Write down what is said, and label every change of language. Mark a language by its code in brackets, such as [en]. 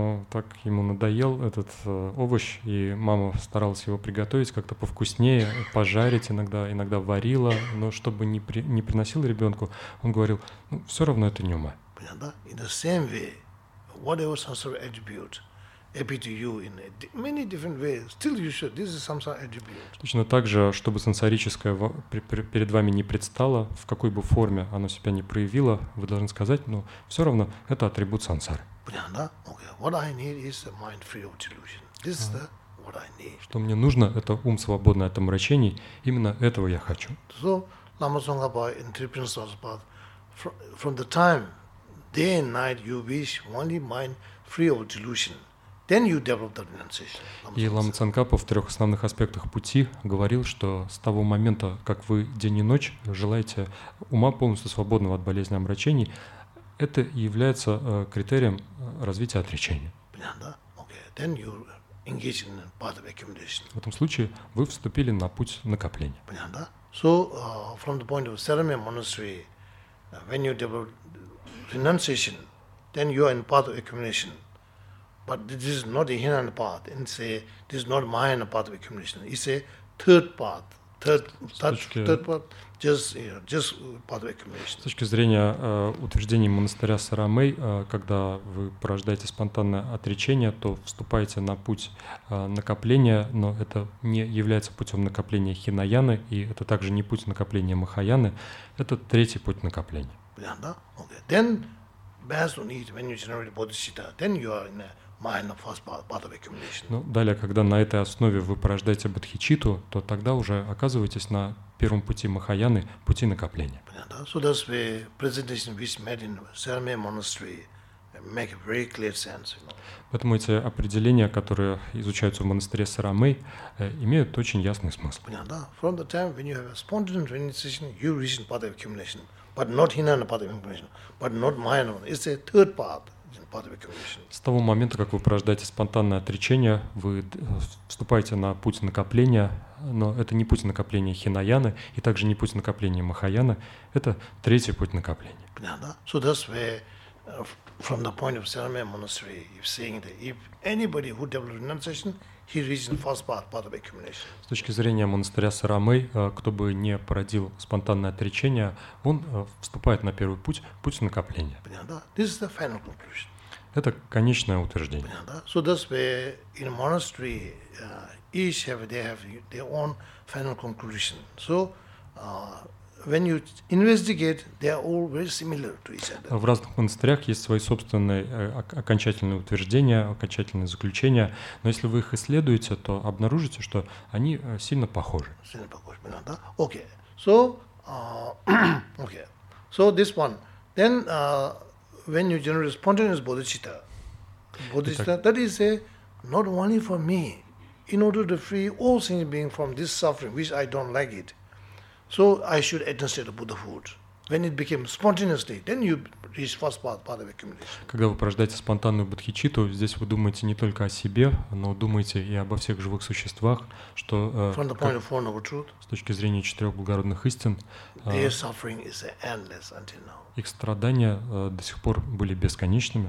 [ru] Так ему надоел этот овощ, и мама старалась его приготовить как-то повкуснее, пожарить иногда варила, но чтобы не приносил ребенку, он говорил, все равно это нюма. Понятно? [en] In the same way, whatever sensory attribute, appear to you in many different ways. Still, you should. This is samsara attribute. [ru] Точно так же, чтобы сансарическое перед вами не предстало, в какой бы форме оно себя не проявило, вы должны сказать, все равно это атрибут сансары. Понятно? Okay. [en] What I need is a mind free of delusion. This is the what I need. [ru] Что мне нужно, это ум свободный от омрачений. Именно этого я хочу. [en] So, Lama Tsongkhapa interprets us, but from the time, day and night, you wish only mind free of delusion. Then you develop the renunciation. [ru] И Лама Цанкапа в трех основных аспектах пути говорил, что с того момента, как вы день и ночь желаете ума полностью свободного от болезни омрачений, это является критерием развития отречения. Понятно? [en] Okay. Then you engage in path of accumulation. [ru] В этом случае вы вступили на путь накопления. Понятно? [en] So from the point of Sarame monastery, when you develop renunciation, then you are in path of accumulation. But this is not the Hinayana path, and say this is not Mahayana path of accumulation. It's a third path, third path, just path of accumulation. [ru] С точки зрения утверждения монастыря Сарамей, когда вы порождаете спонтанное отречение, то вступаете на путь накопления, но это не является путем накопления Хинаяны, и это также не путь накопления Махаяны. Это третий путь накопления. Понятно? Okay. [en] Then, based on it, when you generate bodhicitta, then you are in a mind of first part of accumulation. [ru] Далее, когда на этой основе вы порождаете бодхичитту, то тогда уже оказываетесь на первом пути Махаяны, пути накопления. Понятно? [en] So that's the presentation which made in Sarame monastery make very clear sense. You know? [ru] Поэтому эти определения, которые изучаются в монастыре Сарамей, имеют очень ясный смысл. Понятно? [en] From the time when you have a spontaneous renunciation, you reach part of accumulation, but not Hinayana part of accumulation, but not Mahayana. It's a third path. [ru] С того момента, как вы порождаете спонтанное отречение, вы вступаете на путь накопления, но это не путь накопления хинаяны и также не путь накопления махаяны, это третий путь накопления. [en] So that's where, from the point of ceremony monastery, if saying that if anybody who develops renunciation, he reaches first path of accumulation. [ru] С точки зрения монастыря Сарамей, кто бы не породил спонтанное отречение, он вступает на первый путь, путь накопления. [en] This is the final conclusion. [ru] Это конечное утверждение. [en] So that's where in monastery each have they have their own final conclusion. So when you investigate, they are all very similar to each other. [ru] В разных монастырях есть свои собственные окончательные утверждения, окончательные заключения, но если вы их исследуете, то обнаружите, что они сильно похожи. Сильно похожи, да? [en] Okay. So okay. So this one. Then when you generate spontaneous bodhicitta, that is a not only for me, in order to free all sentient beings from this suffering, which I don't like it. So I should attain state of Buddhahood. When it became spontaneously, then you reach first path of accumulation. [ru] Когда вы порождаете спонтанную бодхичитту, здесь вы думаете не только о себе, но думаете и обо всех живых существах, что [en] from the point of four noble truth, [ru] с точки зрения четырех благородных истин, [en] their suffering is endless until now. [ru] Их страдания до сих пор были бесконечными.